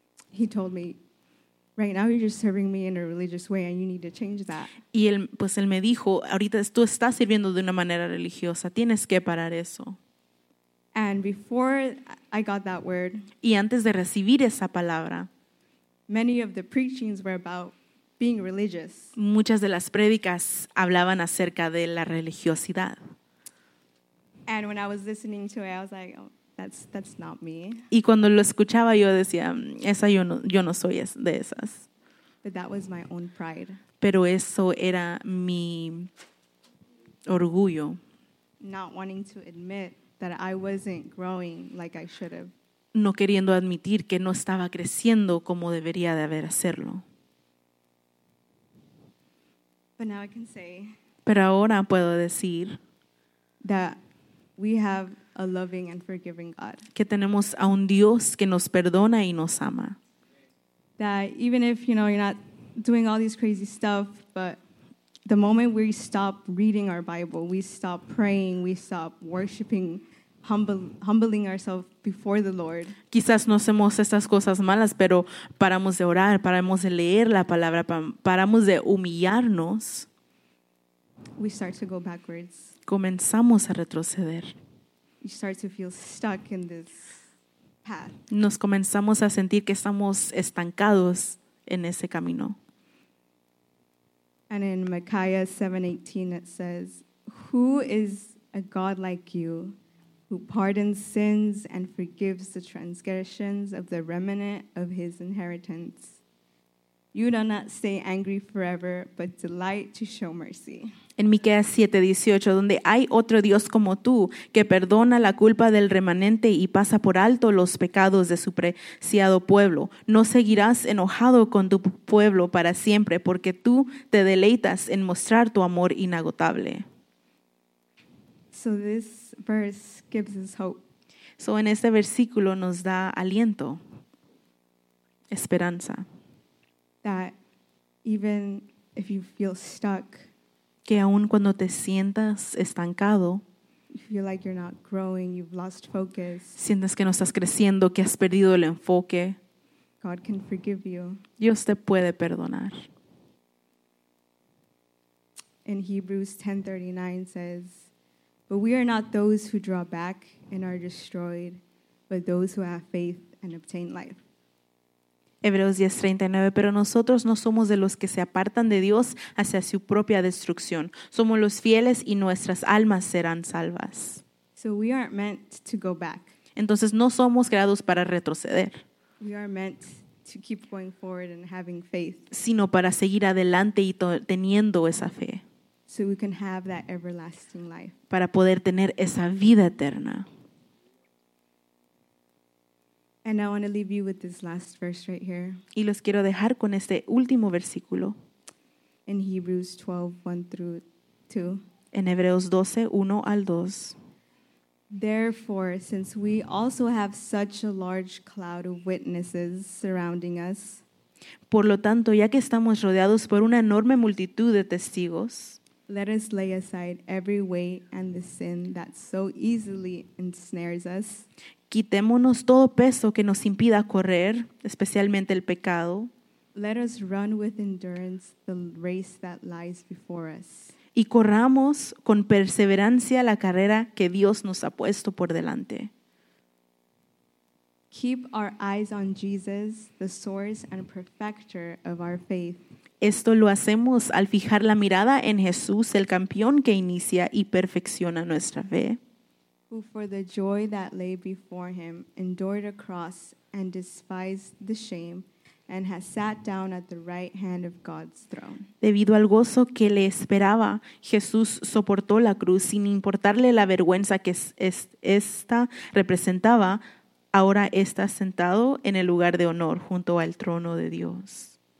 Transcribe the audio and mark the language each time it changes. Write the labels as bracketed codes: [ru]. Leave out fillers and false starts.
[en] He told me, right now you're just serving me in a religious way and you need to change that. [es] Y él me dijo, ahorita tú estás sirviendo de una manera religiosa, tienes que parar eso. [en] And before I got that word, [es] y antes de recibir esa palabra, [en] many of the preachings were about being religious. [es] Muchas de las prédicas hablaban acerca de la religiosidad. [en] And when I was listening to it, I was like, oh, that's not me. [es] Y cuando lo escuchaba yo decía, esa yo no soy de esas. [en] But that was my own pride. [es] Pero eso era mi orgullo. [en] Not wanting to admit that I wasn't growing like I should have. [es] No queriendo admitir que no estaba creciendo como debería de haber hacerlo. [en] But now I can say, [es] pero ahora puedo decir, [en] that we have a loving and forgiving God. [es] Que tenemos a un Dios que nos perdona y nos ama. [en] That even if, you know, you're not doing all these crazy stuff, but the moment we stop reading our Bible, we stop praying, we stop worshiping, humbling ourselves before the Lord. [es] Quizás no hacemos estas cosas malas, pero paramos de orar, paramos de leer la palabra, paramos de humillarnos. [en] We start to go backwards. [es] Comenzamos a retroceder. [en] You start to feel stuck in this path. [es] Nos comenzamos a sentir que estamos estancados en ese camino. [en] And in Micaiah 7:18 it says, who is a God like you who pardons sins and forgives the transgressions of the remnant of his inheritance? You do not stay angry forever, but delight to show mercy. [es] En Micaiah 7:18, donde hay otro Dios como tú que perdona la culpa del remanente y pasa por alto los pecados de su preciado pueblo. No seguirás enojado con tu pueblo para siempre, porque tú te deleitas en mostrar tu amor inagotable. [en] So this verse gives us hope. [es] So en este versículo nos da aliento, esperanza. [en] That even if you feel stuck, [es] que aun cuando te sientas estancado, [en] you feel like you're not growing, you've lost focus, [es] sientes que no estás creciendo, que has perdido el enfoque, [en] God can forgive you. [es] Dios te puede perdonar. [en] In Hebrews 10:39 says, but we are not those who draw back and are destroyed, but those who have faith and obtain life. [es] Hebreos 10:39, pero nosotros no somos de los que se apartan de Dios hacia su propia destrucción. Somos los fieles y nuestras almas serán salvas. [en] So we aren't meant to go back. [es] Entonces no somos creados para retroceder. [en] We are meant to keep going forward and having faith. [es] Sino para seguir adelante y teniendo esa fe. [en] So we can have that everlasting life. [es] Para poder tener esa vida eterna. [en] And I want to leave you with this last verse right here. [es] Y los quiero dejar con este último versículo. [en] In Hebrews 12, 1 through 2. [es] En Hebreos 12, 1 al 2. [en] Therefore, since we also have such a large cloud of witnesses surrounding us. [es] Por lo tanto, ya que estamos rodeados por una enorme multitud de testigos. [en] Let us lay aside every weight and the sin that so easily ensnares us. [es] Quitémonos todo peso que nos impida correr, especialmente el pecado. [en] Let us run with endurance the race that lies before us. [es] Y corramos con perseverancia la carrera que Dios nos ha puesto por delante. [en] Keep our eyes on Jesus, the source and perfecter of our faith. [es] Esto lo hacemos al fijar la mirada en Jesús, el campeón que inicia y perfecciona nuestra fe. [en] Who for the joy that lay before him endured a cross and despised the shame and has sat down at the right hand of God's throne. [es] Debido al gozo que le esperaba, Jesús soportó la cruz sin importarle la vergüenza que esta representaba. Ahora está sentado en el lugar de honor junto al trono de Dios.